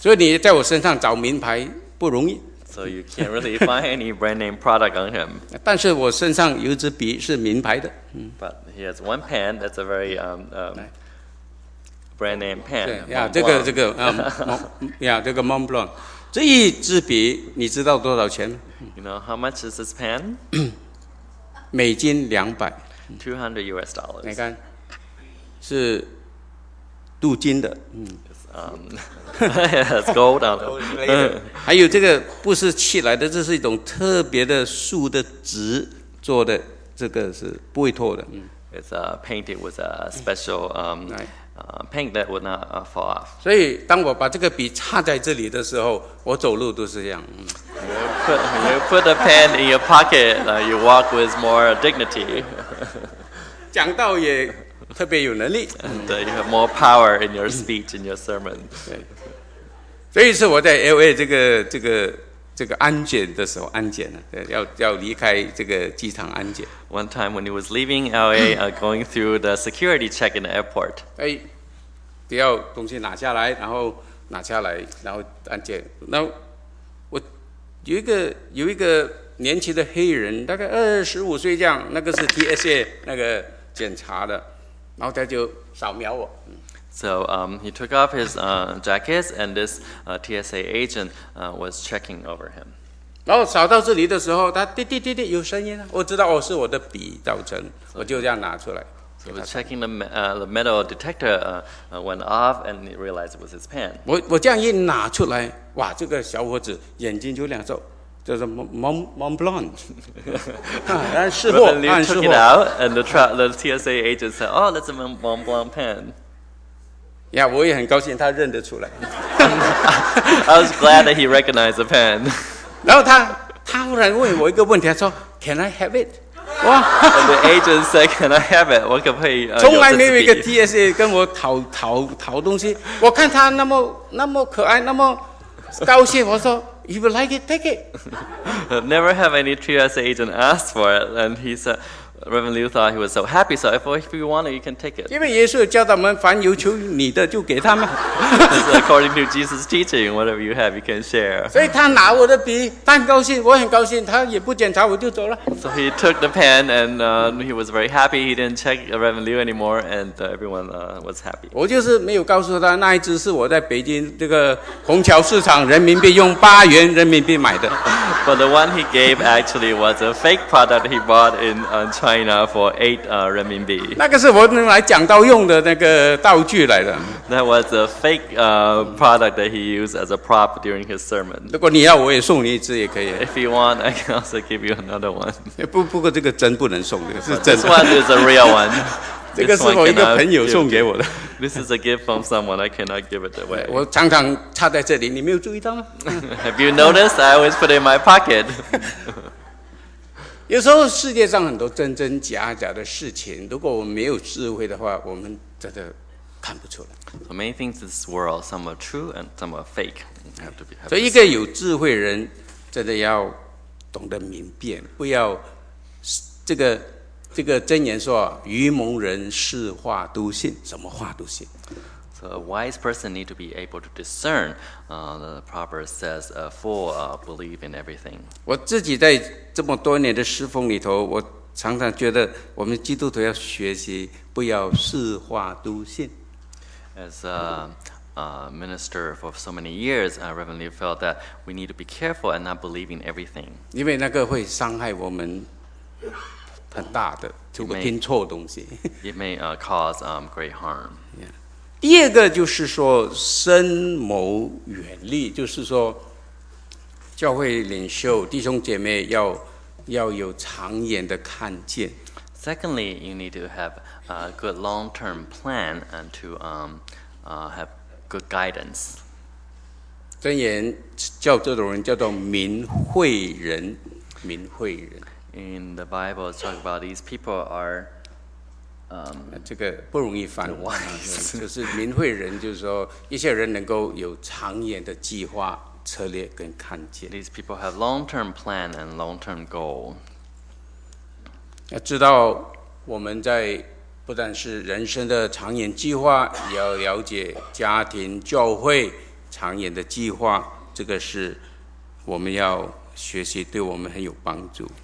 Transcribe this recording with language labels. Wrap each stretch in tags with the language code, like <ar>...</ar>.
<zh>所以你在我身上找名牌不容易。</zh> <en>So you can't really find any brand name product on him.</en> <zh>但是我身上有支笔是名牌的。</zh> <en>But he has one pen that's a very brand name pen.</en> <zh>这个 Montblanc。这一支笔你知道多少钱？</zh> <en>You know how much is this pen?</en> <zh>美金200。</zh> <en>$200.</en> <zh>你看，是镀金的。</zh> <en>It's gold on it.</en> <zh>还有这个不是漆来的，这是一种特别的树的纸做的，这个是不会脱的。</zh> <en>It's painted with a special paint that would not fall off.</en> <zh>所以当我把这个笔插在这里的时候，我走路都是这样。</zh> <en>You put the pen in your pocket, you walk with more dignity.</en> <zh>讲道也特别有能力。</zh> <en>You have more power in your speech, in your sermon.</en> <zh>所以是我在 LA 这个安检的时候，安检了，要离开这个机场安检。</zh> <en>One time when he was leaving LA, going through the security check in the airport.</en> <zh>只要东西拿下来，然后安检。那我有一个年轻的黑人，大概25岁这样，那个是 TSA 那个检查的，然后他就扫描我。</zh> <en>So he took off his jacket, and this TSA agent was checking over him.</en> <zh>然后扫到这里的时候，他滴滴滴滴有声音，我知道是我的笔造成，我就这样拿出来。</zh> <en>So he was checking the metal detector went off, and he realized it was his pen.</en> <zh>我这样一拿出来，哇，这个小伙子眼睛就亮着。就是 Montblanc， 但是货，但是货。</zh> <en>Took it out, and the TSA agent said, "Oh, that's a Montblanc pen."</en> <zh>Yeah, 我也很高兴他认得出来。</zh> <en>I was glad that he recognized the pen.</en> <zh>然后他忽然问我一个问题，他说</zh> <en>"Can I have it?" 哇 ！The agent said, "Can I have it?"</en> <zh>我可不可以？从来没有一个 TSA 跟我讨东西。我看他那么可爱，那么高兴，我说。</zh> <en>You would like it, take it. I've never had any TSA agent ask for it. And he said, Reverend Liu thought he was so happy. So if you want it, you can take it. Because according to Jesus' teaching, whatever you have, you can share. So he took the pen, I'm happy. I'm happy. He didn't check it. So he took the pen, and he was very happy. He didn't check Reverend Liu anymore, and everyone was happy. I just didn't tell him that one of them was in Beijing, the 虹桥市场, RMB, using</en> <zh>8元人民币买的.</zh> <en>But the one he gave actually was a fake product he bought in China. China for 8 RMB.</en> <zh>那个是我用来讲道用的那个道具来的。</zh> <en>That was a fake product that he used as a prop during his sermon.</en> <zh>如果你要，我也送你一支也可以。</zh> <en>If you want, I can also give you another one.</en> <zh>不过这个真不能送，是真的。</zh> <en>This one is a real one.</en> <zh>这个是我一个朋友送给我的。</zh> <en>This is a gift from someone. I cannot give it away.</en> <zh>我常常插在这里，你没有注意到吗？</zh> <en>Have you noticed? I always put it in my pocket.</en> <zh>有时候世界上很多真真假假的事情，如果我们没有智慧的话，我们真的看不出来。</zh> <en>So many things in this world, some are true and some are fake.</en> <zh>So 一个有智慧的人真的要懂得明辨，不要这个箴言说，愚蒙人是话都信，什么话都信。</zh> <en>So a wise person need to be able to discern. The proverb says, "Fool, believe in everything."</en> <zh>我自己在这么多年的侍奉里头，我常常觉得我们基督徒要学习不要似话都信。</zh> <en>As a minister for so many years, Reverend Lee felt that we need to be careful and not believe in everything.</en> <zh>因为那个会伤害我们很大的，如果听错东西。</zh> <en>It may cause great harm. Yeah.</en> <zh>第二个就是说深谋远虑，就是说教会领袖弟兄姐妹 要有长远的看见。</zh> <en>Secondly, you need to have a good long-term plan and to have good guidance.</en> <zh>箴言叫这种人叫做明慧人，明慧人。</zh> <en>In the Bible, it's talking about these people are</en> <zh>这个不容易翻就是明慧人，就是说一些人能够有长远的计划策略跟看见。</zh> <en>These people have long-term plan and long-term goal.</en> <zh>要知道我们在不但是人生的长远计划，也要了解家庭教会长远的计划，这个是我们要学习，对我们很有帮助。</zh>